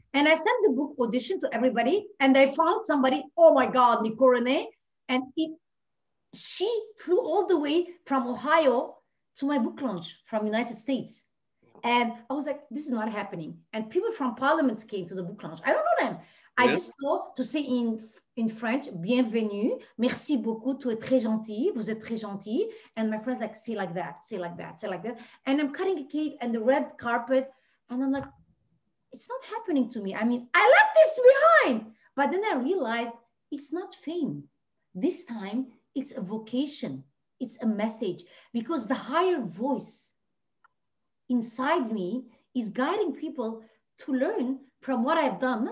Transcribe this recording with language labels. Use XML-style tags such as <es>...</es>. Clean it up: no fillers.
<en>And I sent the book audition to everybody. And I found somebody, oh my God, Nicole Renee. And she flew all the way from Ohio to my book launch from the United States. And I was like, this is not happening. And people from Parliament came to the book launch. I don't know them. Yeah. I just saw to say in French,</en> <fr>bienvenue, merci beaucoup, tu es très gentil, vous êtes très gentil.</fr> <en>And my friends like, say like that. And I'm cutting a cake and the red carpet. And I'm like, it's not happening to me. I mean, I left this behind. But then I realized it's not fame. This time, it's a vocation. It's a message. Because the higher voice inside me is guiding people to learn from what I've done.</en>